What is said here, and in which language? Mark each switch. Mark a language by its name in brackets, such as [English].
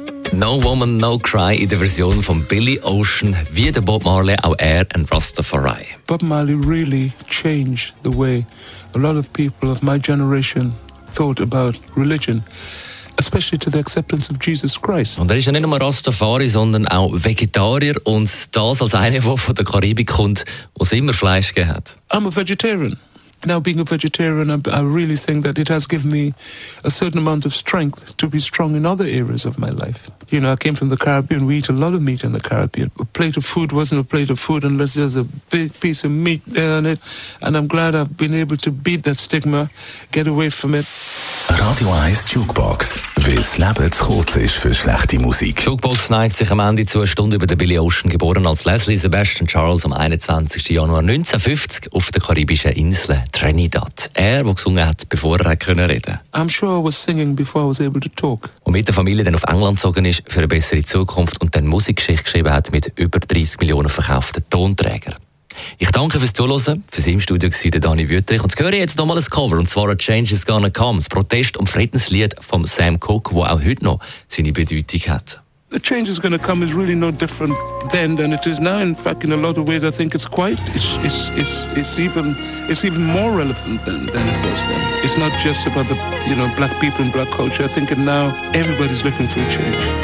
[German] No Woman, No Cry in der Version von Billy Ocean, wie der Bob Marley, auch er und Rastafari. [English] Bob Marley really changed the way a lot of people of my generation thought about religion, especially to the acceptance of Jesus Christ. [German] Und er ist ja nicht nur Rastafari, sondern auch Vegetarier und das als einer, der von der Karibik kommt, der immer Fleisch gegeben hat. [English] I'm a vegetarian. Now, being a vegetarian, I really think that it has given me a certain amount of strength to be strong in other areas of my life. You know, I came from the Caribbean. We eat a lot of meat in the Caribbean. A plate of food wasn't a plate of food unless there's a big piece of meat there on it. And I'm glad I've been able to beat that stigma, get away from it. Radio 1 Jukebox. [German] Weil das Leben zu kurz ist für schlechte Musik. Jukebox neigt sich am Ende zu einer Stunde über den Billy Ocean, geboren als Leslie Sebastian Charles am 21. Januar 1950 auf der karibischen Insel Trinidad. Er, der gesungen hat, bevor er reden konnte. [English] I'm sure I was singing before I was able to talk. [German] Und mit der Familie dann auf England gezogen ist für eine bessere Zukunft und dann Musikgeschichte geschrieben hat mit über 30 Millionen verkauften Tonträgern. Ich danke fürs Zuhören. Für sie im Studio war der Dani Wüttrich. Und jetzt höre ich jetzt nochmal ein Cover, und zwar «A Change Is Gonna Come», das Protest- und Friedenslied von Sam Cooke, das auch heute noch seine Bedeutung hat. [English] «A Change Is Gonna Come» is really no different then than it is now. In fact, in a lot of ways, I think it's quite, it's even more relevant than it was then. It's not just about the, you know, black people and black culture. I think now everybody's looking for a change.